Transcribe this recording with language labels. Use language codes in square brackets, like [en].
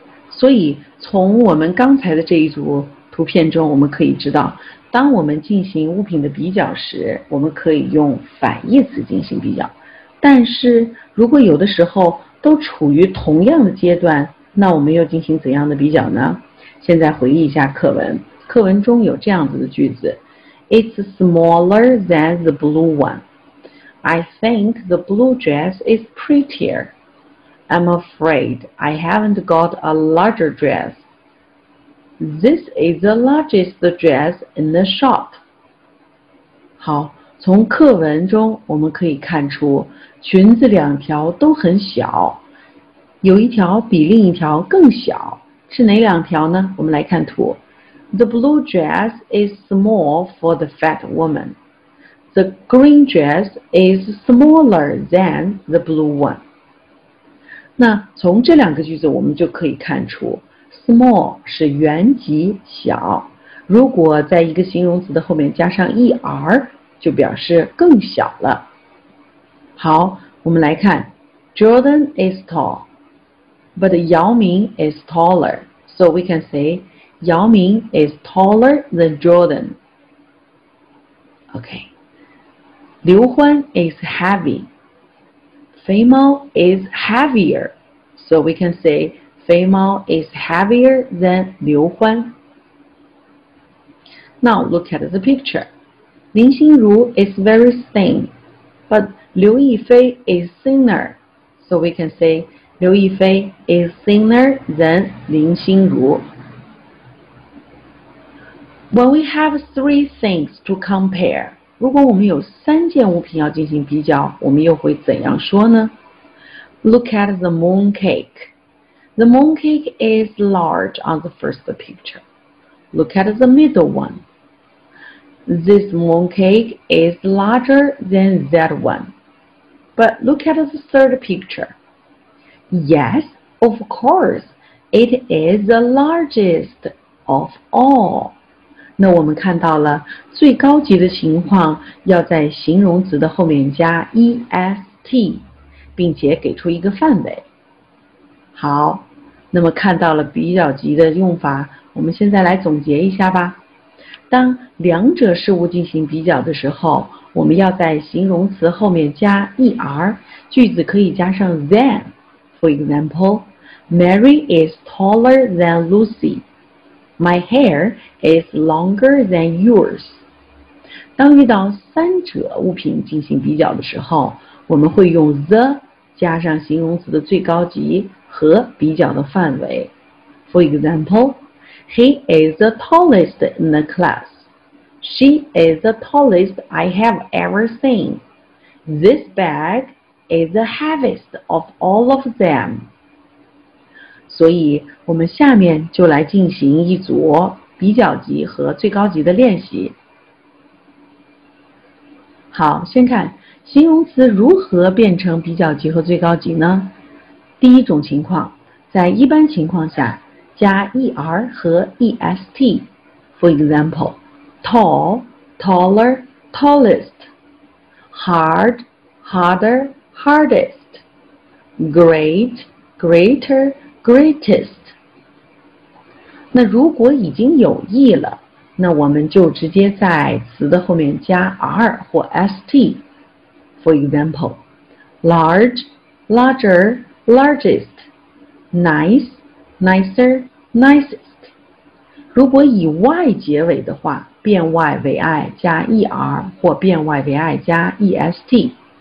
[zh] 所以从我们刚才的这一组图片中我们可以知道，当我们进行物品的比较时，我们可以用反义词进行比较。但是如果有的时候都处于同样的阶段，那我们又进行怎样的比较呢？现在回忆一下课文，课文中有这样子的句子 [en] It's smaller than the blue one. I think the blue dress is prettier. I'm afraid I haven't got a larger dress. This is the largest dress in the shop. [zh] 好，从课文中我们可以看出，裙子两条都很小，有一条比另一条更小，是哪两条呢？我们来看图。 [en] The blue dress is small for the fat woman. The green dress is smaller than the blue one. [zh] 那从这两个句子我们就可以看出Small 是原级小，如果在一个形容词的后面加上 er， 就表示更小了。好，我们来看 [en] Jordan is tall, but Yao Ming is taller. So we can say Yao Ming is taller than Jordan. Okay. Liu Huan is heavy. Fei Mao is heavier. So we can say Fei Mao is heavier than Liu Huan. Now look at the picture. Lin Xinru is very thin, but Liu Yifei is thinner. So we can say Liu Yifei is thinner than Lin Xinru. When we have three things to compare, [zh] 如果我们有三件物品要进行比较，我们又会怎样说呢？ [en] Look at the mooncake. The mooncake is large on the first picture. Look at the middle one. This mooncake is larger than that one. But look at the third picture. Yes, of course, it is the largest of all. [zh] 那我们看到了最高级的情况要在形容词的后面加 est. 并且给出一个范围。好，那么看到了比较级的用法，我们现在来总结一下吧。当两者事物进行比较的时候，我们要在形容词后面加 er， 句子可以加上 than。 [en] For example, Mary is taller than Lucy. My hair is longer than yours. [zh] 当遇到三者物品进行比较的时候，我们会用 the加上形容词的最高级和比较的范围。 [en] For example, he is the tallest in the class. She is the tallest I have ever seen. This bag is the heaviest of all of them. [zh] 所以我们下面就来进行一组比较级和最高级的练习。好，先看形容词如何变成比较级和最高级呢？第一种情况，在一般情况下加 er 和 est。 [en] For example, tall, taller, tallest. Hard, harder, hardest. Great, greater, greatest. [zh] 那如果已经有 e 了，那我们就直接在词的后面加 r 或 st。 [en] For example, large, larger, largest, nice, nicer, nicest. [zh] 如果以 y 结尾的话，变 y 为 i 加 er 或变 y 为 i 加 est.